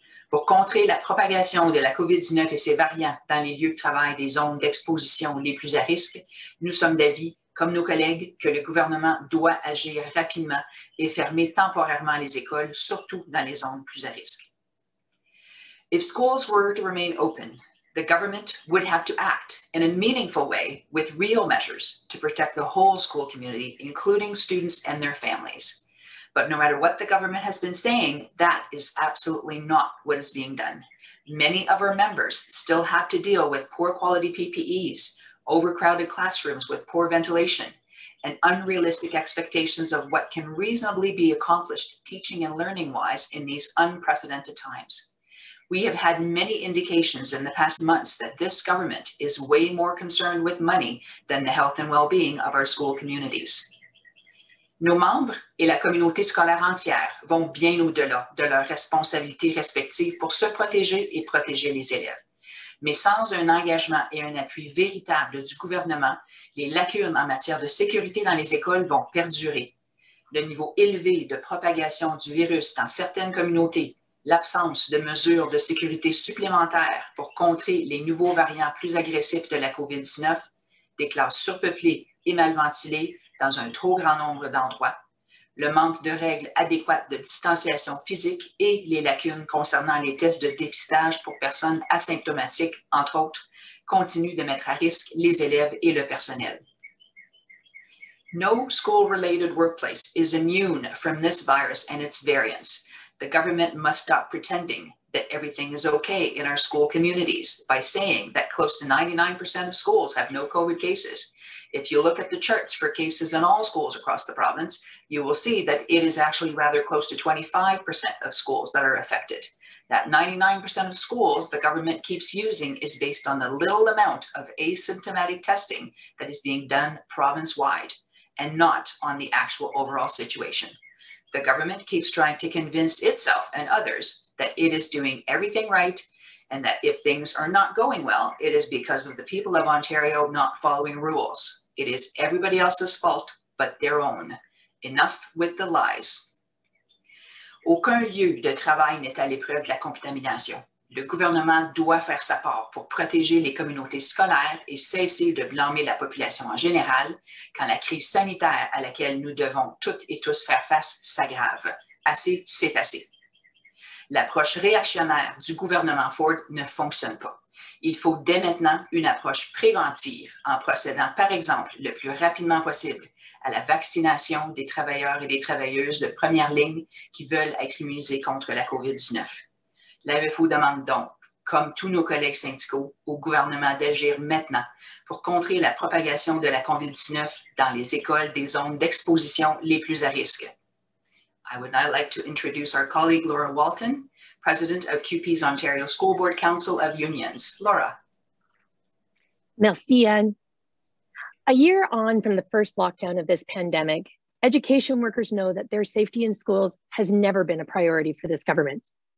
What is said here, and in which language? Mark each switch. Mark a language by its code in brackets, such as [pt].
[fr] Pour contrer la propagation de la COVID-19 et ses variants dans les lieux de travail des zones d'exposition les plus à risque, nous sommes d'avis, comme nos collègues, que le gouvernement doit agir rapidement et fermer temporairement les écoles, surtout dans les zones plus à risque. [en] If schools were to remain open, the government would have to act in a meaningful way with real measures to protect the whole school community, including students and their families. But no matter what the government has been saying, that is absolutely not what is being done. Many of our members still have to deal with poor quality PPEs, overcrowded classrooms with poor ventilation, and unrealistic expectations of what can reasonably be accomplished teaching and learning wise in these unprecedented times. We have had many indications in the past months that this government is way more concerned with money than the health and well-being of our school communities. [fr] Nos membres et la communauté scolaire entière vont bien au-delà de leurs responsabilités respectives pour se protéger et protéger les élèves. Mais sans un engagement et un appui véritable du gouvernement, les lacunes en matière de sécurité dans les écoles vont perdurer. Le niveau élevé de propagation du virus dans certaines communautés, l'absence de mesures de sécurité supplémentaires pour contrer les nouveaux variants plus agressifs de la COVID-19, des classes surpeuplées et mal ventilées dans un trop grand nombre d'endroits, le manque de règles adéquates de distanciation physique et les lacunes concernant les tests de dépistage pour personnes asymptomatiques, entre autres, continuent de mettre à risque les élèves et le personnel. [en] No school-related workplace is immune from this virus and its variants. The government must stop pretending that everything is okay in our school communities by saying that close to 99% of schools have no COVID cases. If you look at the charts for cases in all schools across the province, you will see that it is actually rather close to 25% of schools that are affected. That 99% of schools the government keeps using is based on the little amount of asymptomatic testing that is being done province-wide and not on the actual overall situation. The government keeps trying to convince itself and others that it is doing everything right and that if things are not going well, it is because of the people of Ontario not following rules. It is everybody else's fault, but their own. Enough with the lies. [fr] Aucun lieu de travail n'est à l'épreuve de la contamination. Le gouvernement doit faire sa part pour protéger les communautés scolaires et cesser de blâmer la population en général quand la crise sanitaire à laquelle nous devons toutes et tous faire face s'aggrave. Assez, c'est assez. L'approche réactionnaire du gouvernement Ford ne fonctionne pas. Il faut dès maintenant une approche préventive en procédant, par exemple, le plus rapidement possible à la vaccination des travailleurs et des travailleuses de première ligne qui veulent être immunisés contre la COVID-19. L'AEFO demande donc, comme tous nos collègues syndicaux, au gouvernement d'agir maintenant pour contrer la propagation de la COVID-19 dans les écoles des zones d'exposition les plus à risque. [en] I would now like to introduce our colleague Laura Walton, President of QP's Ontario School Board Council of Unions. Laura. [fr] Merci, Anne. [en] A year on from the first lockdown of this pandemic, education workers know that their safety in schools has never been a priority for this government.